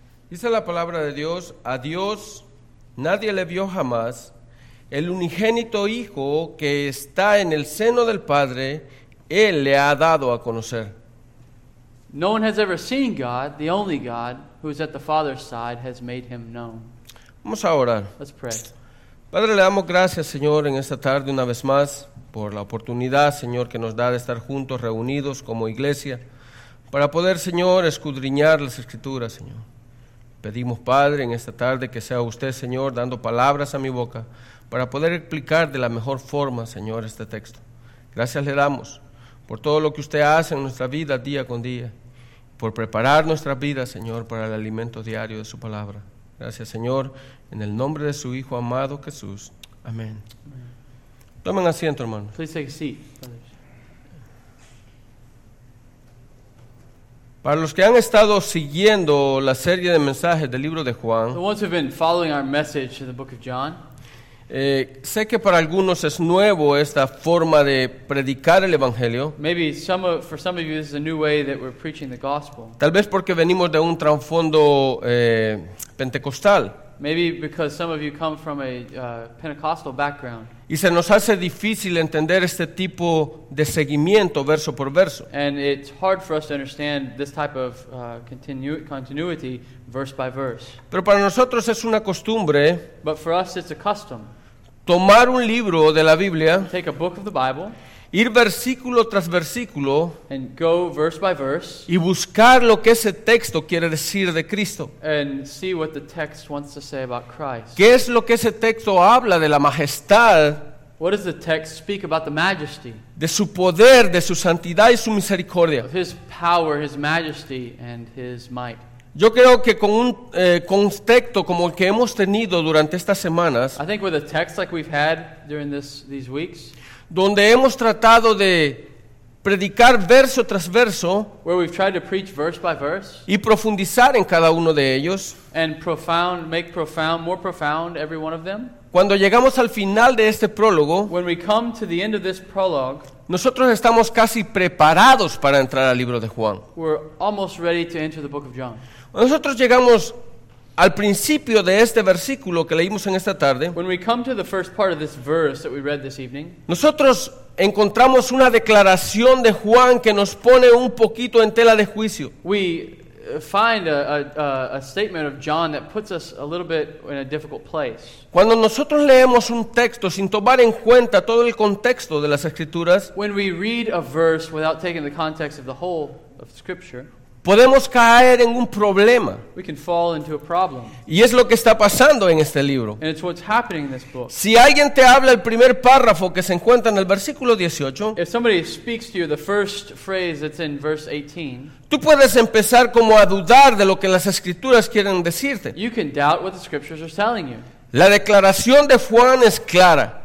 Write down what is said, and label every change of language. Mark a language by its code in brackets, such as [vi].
[es] Dice la palabra de Dios: a Dios nadie le vio jamás. El unigénito Hijo que está en el seno del Padre, Él le ha dado a conocer. [en] No one has ever seen God, the only God, who is at the Father's side, has made Him known. [es] Vamos a orar. [en] Let's pray. [es] Padre, le damos gracias, Señor, en esta tarde una vez más, por la oportunidad, Señor, que nos da de estar juntos, reunidos como iglesia, para poder, Señor, escudriñar las Escrituras, Señor. Pedimos, Padre, en esta tarde que sea usted, Señor, dando palabras a mi boca, para poder explicar de la mejor forma, Señor, este texto. Gracias le damos por todo lo que usted hace en nuestra vida día con día, por preparar nuestra vida, Señor, para el alimento diario de su palabra. Gracias, Señor, en el nombre de su Hijo amado Jesús. Amén. Amén. Tomen asiento, hermano. [en] Please take a seat. [es] Para los que han estado siguiendo la serie de mensajes del libro de Juan, [en] the ones who have been following our message in the book of John, [es] Sé que para algunos es nuevo esta forma de predicar el evangelio. [en] Maybe for some of you this is a new way that we're preaching the gospel. [es] Tal vez porque venimos de un trasfondo pentecostal. [en] Maybe because some of you come from a Pentecostal background. [es] Y se nos hace difícil entender este tipo de seguimiento verso por verso. [en] And it's hard for us to understand this type of continuity verse by verse. [es] Pero para nosotros es una costumbre. [en] But for us it's a custom. [es] Tomar un libro de la Biblia. [en] Take a book of the Bible. [es] Ir versículo tras versículo. [en] And go verse by verse. [es] Y buscar lo que ese texto quiere decir de Cristo. [en] And see what the text wants to say about Christ. [es] ¿Qué es lo que ese texto habla de la majestad? [en] What does the text speak about the majesty? [es] De su poder, de su santidad y su misericordia. [en] Of his power, his majesty and his might. [es] Yo creo que con un contexto como el que hemos tenido durante estas semanas. [en] I think with a text like we've had during these weeks. [es] Donde hemos tratado de predicar verso tras verso, [en] where we've tried to preach verse by verse, [es] y profundizar en cada uno de ellos, [en] and make more profound every one of them. [es] Cuando llegamos al final de este prólogo, [en] when we come to the end of this prologue, [es] nosotros estamos casi preparados para entrar al libro de Juan. [en] We're almost ready to enter the book of John. [es] Nosotros llegamos al principio de este versículo que leímos en esta tarde, [en] when we come to the first part of this verse that we read this evening, [es] nosotros encontramos una declaración de Juan que nos pone un poquito en tela de juicio. [en] We find a statement of John that puts us a little bit in a difficult place. [es] Cuando nosotros leemos un texto sin tomar en cuenta todo el contexto de las Escrituras, [en] when we read a verse without taking the context of the whole of Scripture, [es] podemos caer en un problema. [en] We can fall into a problem. [es] Y es lo que está pasando en este libro. [en] And it's what's happening in this book. [es] Si alguien te habla el primer párrafo que se encuentra en el versículo 18, [en] if somebody speaks to you the first phrase that's in verse 18, [es] tú puedes empezar como a dudar de lo que las Escrituras quieren decirte. [en] You can doubt what the Scriptures are telling you. [es] La declaración de Juan es clara.